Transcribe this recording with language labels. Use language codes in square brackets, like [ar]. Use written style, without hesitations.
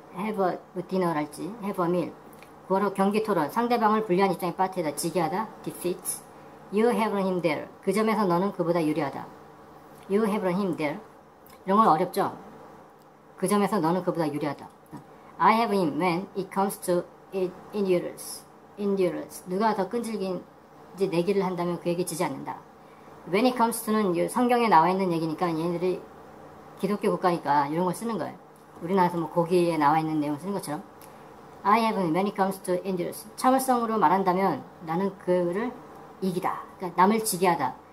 [en] have a dinner랄지, have a meal. [ko] 9월호 경기 토론, 상대방을 불리한 입장에 빠뜨리다, 지게 하다, defeat. [en] You have him there. [ko] 그 점에서 너는 그보다 유리하다. [en] You have him there. [ko] 이런 건 어렵죠? 그 점에서 너는 그보다 유리하다. [en] I have him when it comes to endurance. Endurance. [ko] 누가 더 끈질긴지 내기를 한다면 그 얘기 지지 않는다. [en] When it comes to [ko] 는 성경에 나와 있는 얘기니까 얘네들이 기독교 국가니까 이런 걸 쓰는 거예요. 우리나라에서 뭐 고기에 나와 있는 내용을 쓰는 것처럼. [en] I have when it comes to endurance. [ko] 참을성으로 말한다면 나는 그를 이기다. 그러니까 남을 지게 하다.